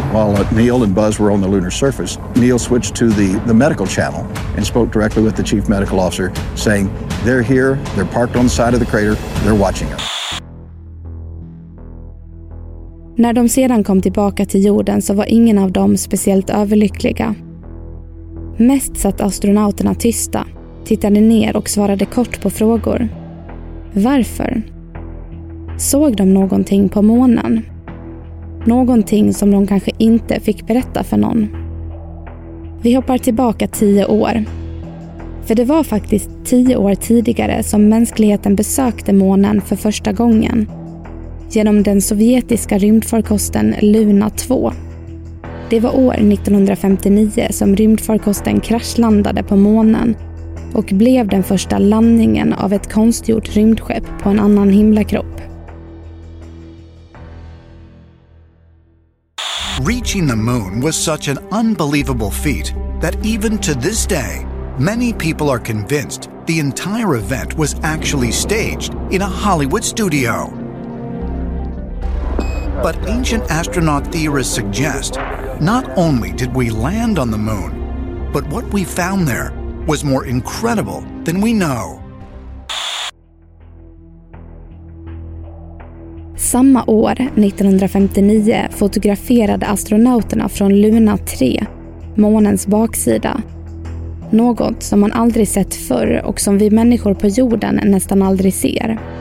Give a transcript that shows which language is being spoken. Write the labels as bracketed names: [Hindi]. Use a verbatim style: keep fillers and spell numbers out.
[English] While uh, Neil and Buzz were on the lunar surface, Neil switched to the, the medical channel and spoke directly with the chief medical officer, saying, they're here, they're parked on the side of the crater, they're watching us. [Swedish] När de sedan kom tillbaka till jorden så var ingen av dem speciellt överlyckliga. Mest satt astronauterna tysta, tittade ner och svarade kort på frågor. Varför? Såg de någonting på månen? Någonting som de kanske inte fick berätta för någon. Vi hoppar tillbaka tio år. För det var faktiskt tio år tidigare som mänskligheten besökte månen för första gången. Genom den sovjetiska rymdfarkosten Luna två. Det var år nittonhundrafemtionio som rymdfarkosten kraschlandade på månen och blev den första landningen av ett konstgjort rymdskepp på en annan himlakropp. [English] Reaching the moon was such an unbelievable feat that even to this day, many people are convinced the entire event was actually staged in a Hollywood studio. But ancient astronaut theorists suggest not only did we land on the moon, but what we found there was more incredible than we know. [Swedish] Samma år, nittonhundrafemtionio, fotograferade astronauterna från Luna tre, månens baksida. Något som man aldrig sett förr och som vi människor på jorden nästan aldrig ser.